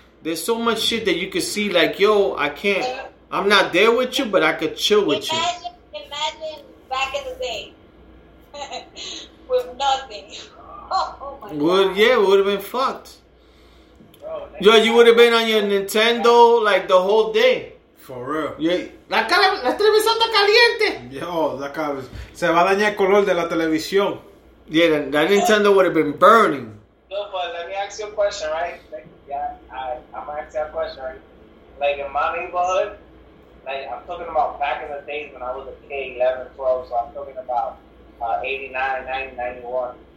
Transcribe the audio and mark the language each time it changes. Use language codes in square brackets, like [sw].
[en] There's so much shit that you could see. Like, yo, I can't. I'm not there with you, but I could chill with you. Imagine back in the day with nothing. Oh, we would have been fucked. Bro, yo, you would have been on your Nintendo like the whole day. For real. [es] La televisión está caliente. Yo, se va a dañar el color de la televisión. [en] Yeah, that Nintendo would have been burning. No, but let me ask you a question, right? I'm going to ask you a question, right? Like, in my neighborhood, like, I'm talking about back in the days when I was a kid, 11, 12, so I'm talking about 89, 90, 91.